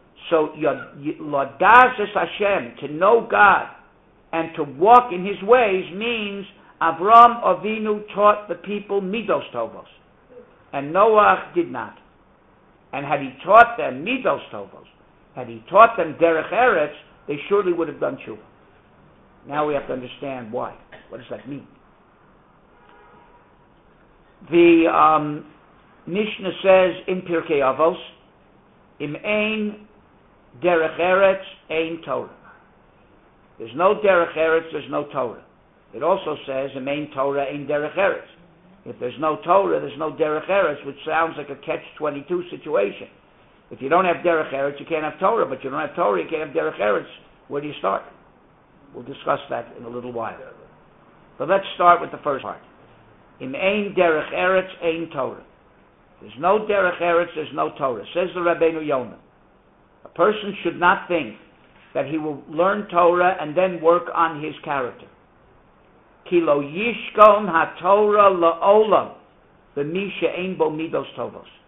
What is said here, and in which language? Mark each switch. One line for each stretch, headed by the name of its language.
English: So,
Hebrew: l'adas es Hashem,
English: to know God, and to walk in his ways, means Avram Avinu taught the people Midos Tovos. And Noah did not. And had he taught them Midos Tovos, had he taught them Derech Eretz, they surely would have done tshuva. Now we have to understand why. What does that mean? The Mishnah says in Pirkei Avos,
Hebrew: Im ein Derech Eretz, ein Torah.
English: There's no Derech Eretz, there's no Torah. It also says,
Hebrew: Im ein Torah, ein Derech Eretz.
English: If there's no Torah, there's no Derech Eretz, which sounds like a catch-22 situation. If you don't have Derech Eretz, you can't have Torah. But you don't have Torah, you can't have Derech Eretz. Where do you start? We'll discuss that in a little while. But let's start with the first part.
Hebrew: Im ein Derech Eretz, ein Torah.
English: There's no Derech Eretz, there's no Torah. Says the Rabbeinu Yonah. A person should not think that he will learn Torah and then work on his character.
Hebrew: Ki lo yishkon ha-Torah la'olam b'misha ein bo midos tovos.